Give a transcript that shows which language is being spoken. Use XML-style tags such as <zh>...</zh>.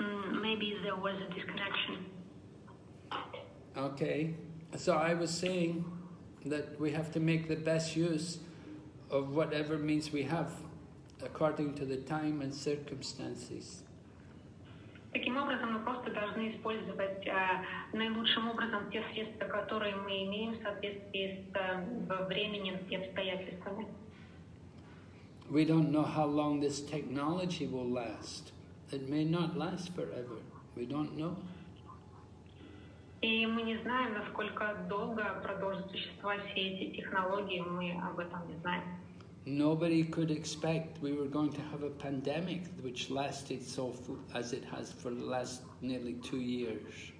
<en>Maybe there was a disconnection. Okay, so I was saying that we have to make the best use of whatever means we have according to the time and circumstances.</en> <ru>Таким образом, мы просто должны использовать наилучшим образом те средства, которые мы имеем в соответствии с временем и обстоятельствами.</ru> <en>We don't know how long this technology will last. It may not last forever. We don't know.</en> <ru>И мы не знаем, насколько долго продолжат существовать все эти технологии, мы об этом не знаем.</ru> <en>Nobody could expect we were going to have a pandemic which lasted so as it has for the last nearly 2 years.</en>